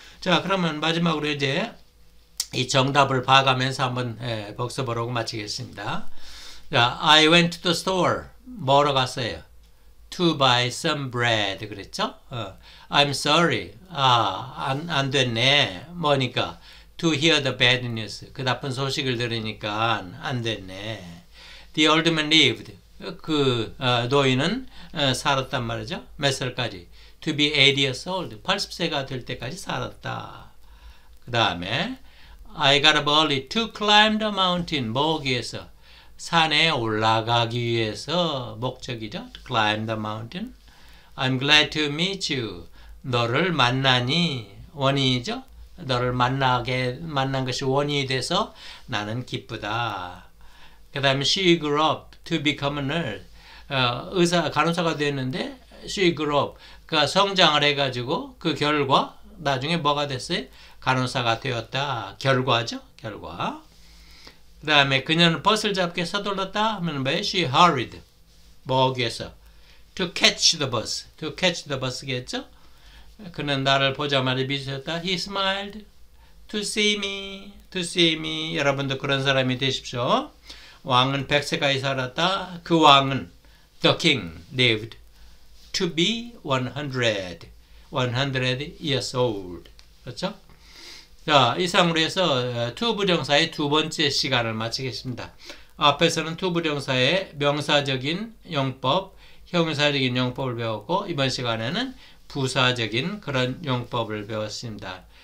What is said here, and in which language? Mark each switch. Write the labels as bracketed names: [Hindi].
[Korean] 자, 그러면 마지막으로 이제 이 정답을 봐가면서 한번 복습을 하고 마치겠습니다. [English] 자, I went to the store. [Korean] 뭐로 갔어요? [English] To buy some bread, 그랬죠? I'm sorry. [Korean] 안 됐네. 뭐니까? [English] To hear the bad news. [Korean] 그 나쁜 소식을 들으니까 안 됐네. [English] The old man lived. [Korean] 그 노인은 살았단 말이죠. 몇 살까지? [English] To be 80 years old. [Korean] 80세가 될 때까지 살았다. [English] 그 다음에 I got a bully to climb the mountain. [Korean] 뭐기 위해서? 산에 올라가기 위해서 목적이죠. [English] Climb the mountain. I'm glad to meet you. [Korean] 너를 만나니 원인이죠. 너를 만난 것이 원인이 돼서 나는 기쁘다. [English] 그 다음에 she grew up to become a nurse. [Korean] 의사, 간호사가 됐는데 [English] she grew up. [Korean] 그 성장을 해가지고 그 결과 나중에 뭐가 됐어요? 간호사가 되었다. 결과죠. 결과. 그 다음에 그녀는 버스를 잡게 서둘렀다 하면 뭐예요? [English] She hurried. [Korean] 뭐 하기 위해서? [English] To catch the bus. To catch the bus겠죠? [Korean] 그는 나를 보자마자 미쳤다. [English] He smiled. To see me. To see me. [Korean] 여러분도 그런 사람이 되십시오. 왕은 100세가 살았다. 그 왕은 [English] The king lived to be 100. 100 years old. 그렇죠? [Korean] 자, 이상으로 해서 to 부정사의 두 번째 시간을 마치겠습니다. 앞에서는 to 부정사의 명사적인 용법, 형사적인 용법을 배웠고, 이번 시간에는 부사적인 그런 용법을 배웠습니다.